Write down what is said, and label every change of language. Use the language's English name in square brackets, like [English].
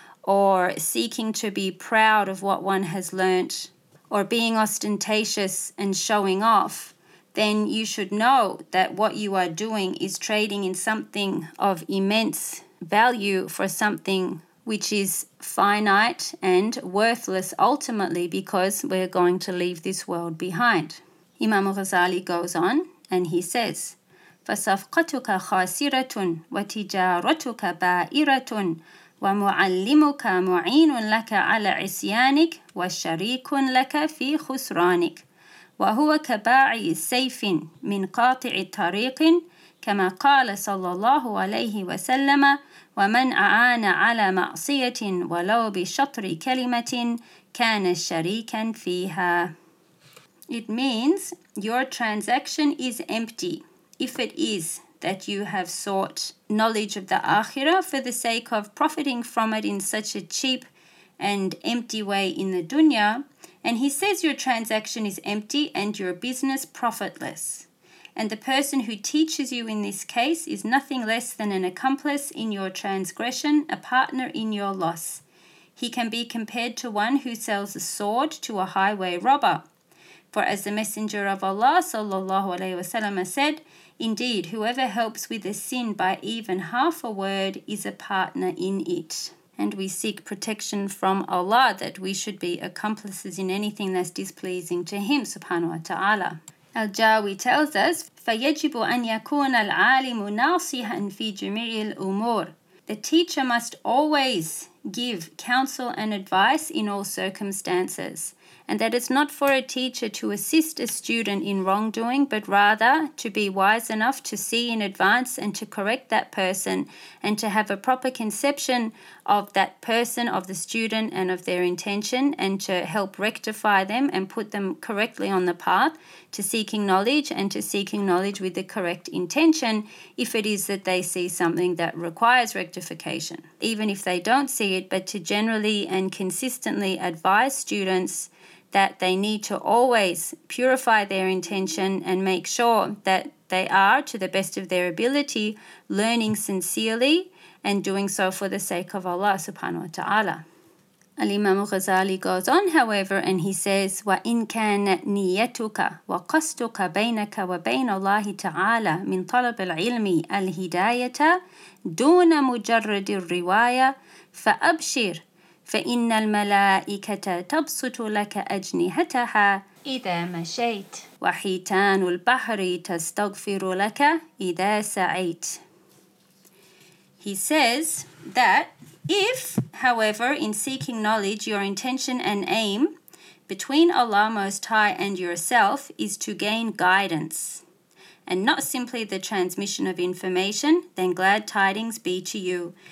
[English] or seeking to be proud of what one has learnt or being ostentatious and showing off, then you should know that what you are doing is trading in something of immense value for something which is finite and worthless ultimately, because we're going to leave this world behind. Imam Ghazali goes on and he says, [Arabic] فَصَفْقَتُكَ خَاسِرَةٌ وَتِجَارَتُكَ بَائِرَةٌ وَمُعَلِّمُكَ مُعِينٌ لَكَ عَلَى عِسْيَانِكَ وَشَرِيكٌ لَكَ فِي خُسْرَانِكَ وهو كباع سيف من قاطع طريق كما قال صلى الله عليه وسلم ومن أعان على معصية ولو بشطر كلمة كان شريكا فيها. [English] It means your transaction is empty if it is that you have sought knowledge of the Akhirah for the sake of profiting from it in such a cheap and empty way in the dunya. And he says your transaction is empty and your business profitless. And the person who teaches you in this case is nothing less than an accomplice in your transgression, a partner in your loss. He can be compared to one who sells a sword to a highway robber. For as the Messenger of Allah sallallahu alaihi wasallam said, indeed, whoever helps with a sin by even half a word is a partner in it. And we seek protection from Allah that we should be accomplices in anything that's displeasing to Him, subhanahu wa ta'ala. Al-Jawi tells us, [Arabic] فَيَجِبُ أَنْ يَكُونَ الْعَالِمُ نَاصِحًا فِي جُمِعِ الْأُمُورِ. [English] The teacher must always give counsel and advice in all circumstances, and that it's not for a teacher to assist a student in wrongdoing, but rather to be wise enough to see in advance and to correct that person and to have a proper conception of that person, of the student, and of their intention, and to help rectify them and put them correctly on the path to seeking knowledge and to seeking knowledge with the correct intention if it is that they see something that requires rectification. Even if they don't see it, but to generally and consistently advise students that they need to always purify their intention and make sure that they are, to the best of their ability, learning sincerely and doing so for the sake of Allah subhanahu wa ta'ala. Al-Imam Ghazali goes on, however, and he says, [Arabic] وَإِنْ كَانَ نِيَّتُكَ وَقَصْتُكَ بَيْنَكَ وَبَيْنَ اللَّهِ تَعَالَى مِنْ طَلَبِ الْعِلْمِ الْهِدَايَةَ دُونَ مُجَرَّدِ الرِّوَايَةِ فَأَبْشِرْ فَإِنَّ الْمَلَائِكَةَ تَبْسُطُ لَكَ أَجْنِهَتَهَا إِذَا مَشَيْتَ وَحِيتَانُ الْبَحْرِ تَسْتَغْفِرُ لَكَ إِذَا سَعَيْتَ. [English] He says that if, however, in seeking knowledge, your intention and aim between Allah Most High and yourself is to gain guidance and not simply the transmission of information, then glad tidings be to you.